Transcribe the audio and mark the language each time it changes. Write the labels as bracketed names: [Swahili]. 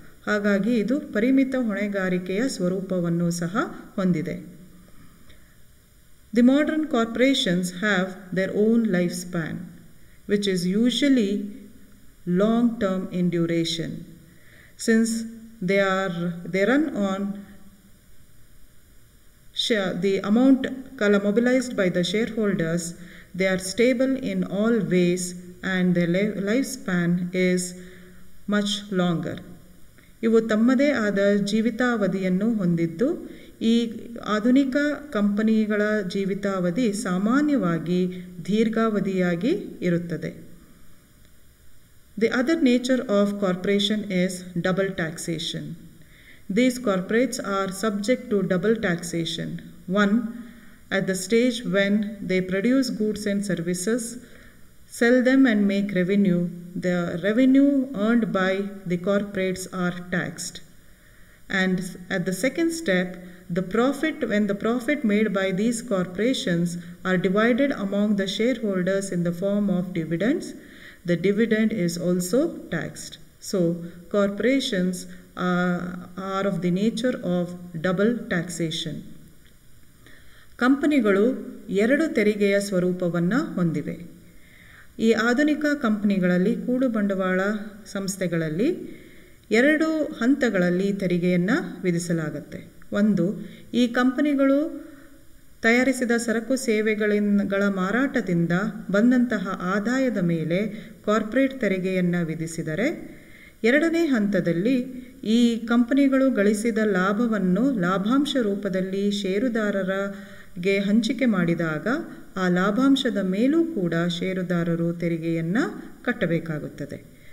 [Kannada] ಹಾಗಾಗಿ ಇದು ಪರಿಮಿತ ಹೊಣೆಗಾರಿಕೆಯ ಸ್ವರೂಪವನ್ನು ಸಹ ಹೊಂದಿದೆ. [English] The modern corporations have their own lifespan, which is usually long-term in duration, since they run on the amount mobilized by the shareholders. They are stable in all ways, and their lifespan is much longer. [Kannada] ಇವು ತಮ್ಮದೇ ಆದ ಜೀವಿತಾವಧಿಯನ್ನು ಹೊಂದಿದ್ದು ಈ ಆಧುನಿಕ ಕಂಪನಿಗಳ ಜೀವಿತಾವಧಿ ಸಾಮಾನ್ಯವಾಗಿ ದೀರ್ಘಾವಧಿಯಾಗಿ ಇರುತ್ತದೆ. [English] The other nature of corporation is double taxation. These corporates are subject to double taxation. One, at the stage when they produce goods and services, sell them and make revenue, the revenue earned by the corporates are taxed. And at the second step the profit when the profit made by these corporations are divided among the shareholders in the form of dividends, the dividend is also taxed. So corporations are of the nature of double taxation. [Kannada] ಕಂಪನಿಗಳು ಎರಡು ತೆರಿಗೆಯ ಸ್ವರೂಪವನ್ನು ಹೊಂದಿವೆ. ಈ ಆಧುನಿಕ ಕಂಪನಿಗಳಲ್ಲಿ ಕೂಡು ಬಂಡವಾಳ ಸಂಸ್ಥೆಗಳಲ್ಲಿ ಎರಡು ಹಂತಗಳಲ್ಲಿ ತೆರಿಗೆಯನ್ನು ವಿಧಿಸಲಾಗುತ್ತೆ. ಒಂದು, ಈ ಕಂಪನಿಗಳು ತಯಾರಿಸಿದ ಸರಕು ಸೇವೆಗಳ ಮಾರಾಟದಿಂದ ಬಂದಂತಹ ಆದಾಯದ ಮೇಲೆ ಕಾರ್ಪೊರೇಟ್ ತೆರಿಗೆಯನ್ನು ವಿಧಿಸಿದರೆ, ಎರಡನೇ ಹಂತದಲ್ಲಿ ಈ ಕಂಪನಿಗಳು ಗಳಿಸಿದ ಲಾಭವನ್ನು ಲಾಭಾಂಶ ರೂಪದಲ್ಲಿ ಷೇರುದಾರರಿಗೆ ಹಂಚಿಕೆ ಮಾಡಿದಾಗ ಆ ಲಾಭಾಂಶದ ಮೇಲೂ ಕೂಡ ಷೇರುದಾರರು ತೆರಿಗೆಯನ್ನು ಕಟ್ಟಬೇಕಾಗುತ್ತದೆ.